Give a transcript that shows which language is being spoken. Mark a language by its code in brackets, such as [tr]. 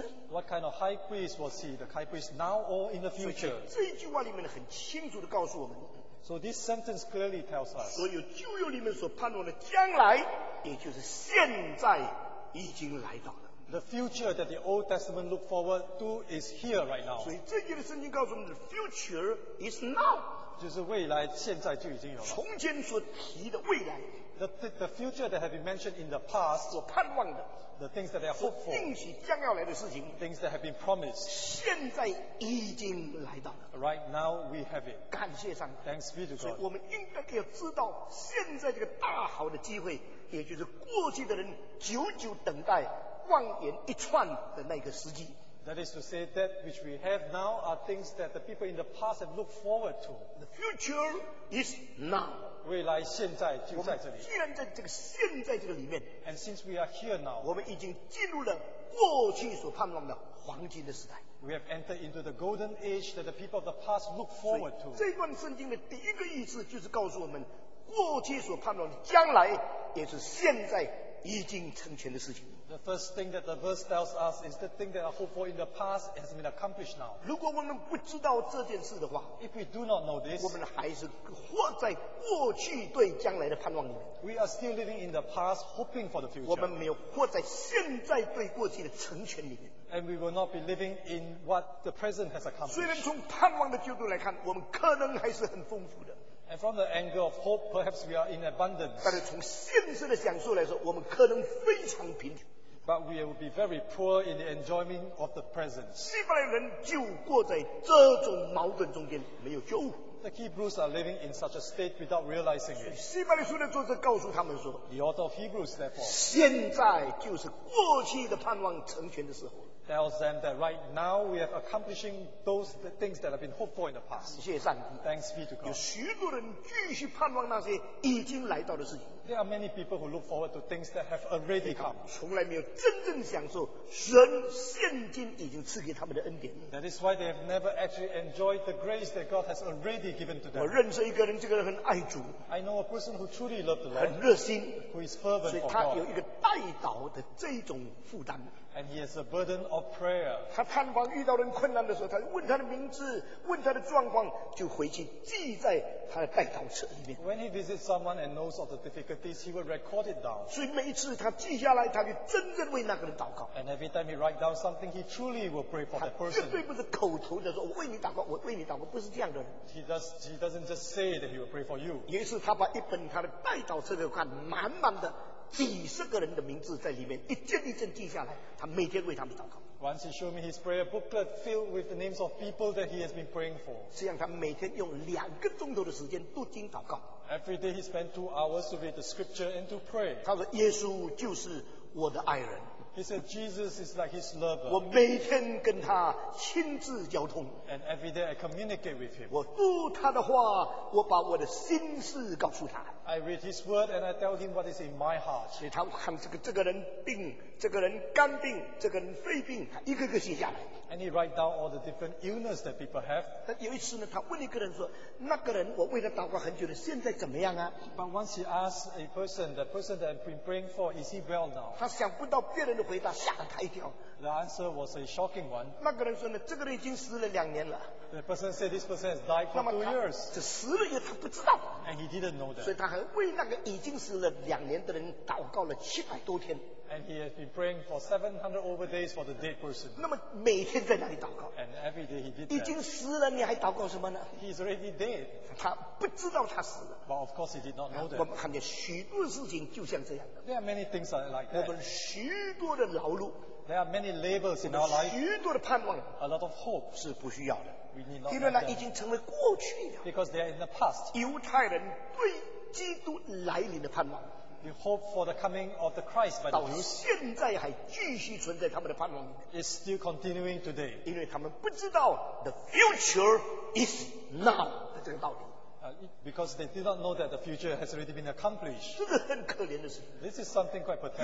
[en] What kind of high priest was he? The high priest now or in the future? [zh] 所以这句话里面很清楚地告诉我们, [en] so this sentence clearly tells us. [zh] 所有旧约里面所盼望的将来, 也就是现在已经来到了。 [en] The future that the Old Testament looked forward to is here right now. [zh] 所以这节的圣经告诉我们 ， [en] the future is now， [zh] 就是未来，现在就已经有了。从前所提的未来。 [en] The future that have been mentioned in the past， [zh] 所盼望的。 [en] The things that they are hoped for， [zh] 所应许将要来的事情。 [en] Things that have been promised， [zh] 现在已经来到了。 [en] Right now we have it。 [zh] 感谢上帝。 [en] Thanks be to God。 [zh] 所以我们应该要知道现在这个大好的机会，也就是过去的人久久等待。望眼一串的那个时机。 [en] That is to say that which we have now are things that the people in the past have looked forward to. The future is now. [zh] 未来现在就在这里。我们既然在这个现在这个里面。 [en] And since we are here now. [zh] 我们已经进入了过去所盼望的黄金的时代。 [en] We have entered into the golden age that the people of the past look forward to. [zh] 这段圣经的第一个意思就是告诉我们，过去所盼望的将来也是现在已经成全的事情。 [en] The first thing that the verse tells us is the thing that I hoped for in the past has been accomplished now. [zh] 如果我们不知道这件事的话， [en] if we do not know this, [zh] 我们还是活在过去对将来的盼望里面。 [en] We are still living in the past, hoping for the future. [zh] 我们没有活在现在对过去的成全里面。 [en] And we will not be living in what the present has accomplished. [zh] 虽然从盼望的角度来看，我们可能还是很丰富的。 [en] And from the angle of hope, perhaps we are in abundance. [zh] 但是从现实的享受来说，我们可能非常贫穷。 [en] But we will be very poor in the enjoyment of the present. [zh] 希伯来人就过在这种矛盾中间，没有救。 [en] The Hebrews are living in such a state without realizing it. [zh] 希伯来书的作者告诉他们说 [en] ，The author of Hebrews therefore, [zh] 现在就是过去的盼望成全的时候。 [en] Tells them that right now we are accomplishing those things that have been hoped for in the past. [zh] 感谢上帝。 [en] Thanks be to God. [zh] 有许多人继续盼望那些已经来到的事情。 [en] There are many people who look forward to things that have already come. [zh] 从来没有真正享受神现今已经赐给他们的恩典。 [en] That is why they have never actually enjoyed the grace that God has already given to them. [zh] 我认识一个人，这个人很爱主。 [en] I know a person who truly loves the Lord. [zh] 很热心。 [en] Who is fervent for God. [zh] 所以他有一个代祷的这种负担。 [en] And he has a burden of prayer. [zh] 他盼望遇到人困难的时候，他问他的名字，问他的状况，就回去记在他的代祷册里面。 [en] When he visits someone and knows of the difficulties, he will record it down. [zh] 所以每一次他记下来，他就真正为那个人祷告。 [en] And every time he writes down something, he truly will pray for that person. [zh] 他绝对不是口头的说我为你祷告，我为你祷告，不是这样的人。 [en] He doesn't just say that he will pray for you. [zh] 于是他把一本他的代祷册给看，满满的。几十个人的名字在里面，一件一件记下来，他每天为他们祷告。 [en] Once he showed me his prayer booklet filled with the names of people that he has been praying for. [zh] 这样他每天用两个钟头的时间读经祷告。 [en] Every day he spent 2 hours to read the scripture and to pray. [zh] 他说耶稣就是我的爱人。 [en] He said Jesus is like his lover. [zh] 我每天跟他亲自交通。 [en] And every day I communicate with him. [zh] 我读他的话，我把我的心事告诉他。 [en] I read his word and I tell him what is in my heart. [zh] 所以他看这个人病，这个人肝病，这个人肺病，一个个写下来。 [en] And he write down all the different illness that people have. [zh] 但有一次呢，他问一个人说，那个人我为他祷告很久了，现在怎么样啊？ [en] But once he asks a person, the person that I've been praying for, is he well now? [zh] 他想不到别人的回答，吓了他一跳。 [en] The answer was a shocking one. [zh] 那个人说呢，这个人已经死了两年了。 [en] The person said this person has died for 2 years. [zh] 这死了也他不知道。 [en] And he didn't know that. [zh] 所以他还为那个已经死了两年的人祷告了700多天。 [en] And he has been praying for 700 over days for the dead person. [zh] 那么每天在那里祷告。 [en] And every day he did [zh] that. 已经死了你还祷告什么呢？ [en] He's already dead. [zh] 他不知道他死了。 [en] But of course he did not know that. [zh] 我们看见许多事情就像这样的。 [en] There are many things like that. [zh] 我们许多的劳碌。 [en] There are many labors in our life. [zh] 许多的盼望。 [en] A lot of hope. [zh] 是不需要的。 [en] We need not [zh] 因为那已经成为过去了。 [en] Because they are in the past. [zh] 犹太人对基督来临的盼望。 [en] We hope for the coming of the Christ by the [zh] Jews. 到现在还继续存在他们的盼望。 [en] It's still continuing today. [zh] 因为他们不知道 [en] the future is now [zh] 的这个道理。 [en] Because they did not know that the future has already been accomplished. [zh] 这个很可怜的事。 [en] This is something quite pathetic.